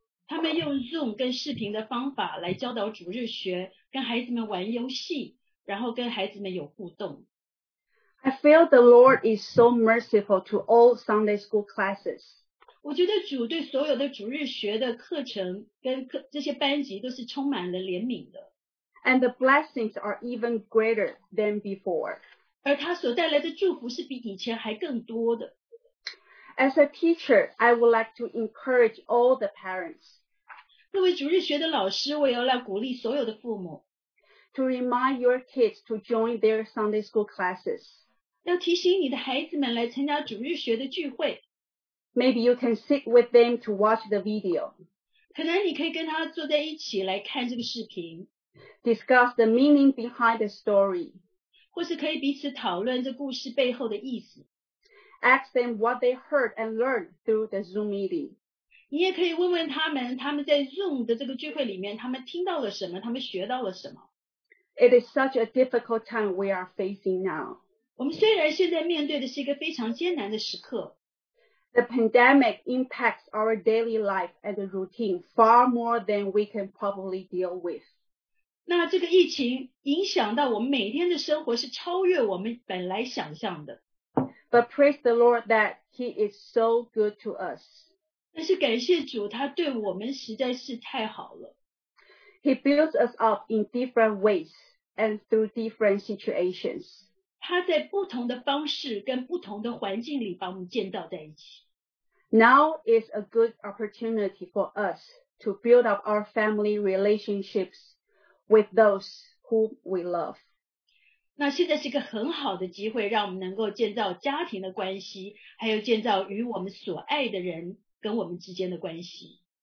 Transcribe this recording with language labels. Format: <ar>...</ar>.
<zh>他们用 Zoom 跟视频的方法来教导主日学跟孩子们玩游戏然后跟孩子们有互动。</zh> <en>I feel the Lord is so merciful to all Sunday school classes.</en> <zh>我觉得主对所有的主日学的课程跟课这些班级都是充满了怜悯的。</zh> <en>And the blessings are even greater than before.</en> <zh>而他所带来的祝福是比以前还更多的。</zh> <en>As a teacher, I would like to encourage all the parents.</en> <zh>各位主日学的老师，我也要来鼓励所有的父母。</zh> <en>To remind your kids to join their Sunday school classes.</en> <zh>要提醒你的孩子们来参加主日学的聚会。</zh> <en>Maybe you can sit with them to watch the video.</en> <zh>可能你可以跟他坐在一起来看这个视频。</zh> <en>Discuss the meaning behind the story.</en> <zh>或是可以彼此讨论这故事背后的意思。</zh> <en>Ask them what they heard and learned through the Zoom meeting.</en> <zh>你也可以问问他们，他们在 Zoom 的这个聚会里面，他们听到了什么，他们学到了什么。</zh> <en>It is such a difficult time we are facing now.</en> <zh>我们虽然现在面对的是一个非常艰难的时刻。</zh> <en>The pandemic impacts our daily life and the routine far more than we can probably deal with.</en> <zh>那这个疫情影响到我们每天的生活是超越我们本来想象的。</zh> <en>But praise the Lord that He is so good to us.</en> <zh>但是感谢主他对我们实在是太好了。</zh> <en>He builds us up in different ways and through different situations.</en> <zh>他在不同的方式跟不同的环境里把我们建造在一起。</zh> <en>Now is a good opportunity for us to build up our family relationships with those who we love.</en> <zh>那现在是一个很好的机会让我们能够建造家庭的关系还有建造与我们所爱的人跟我们之间的关系。</zh>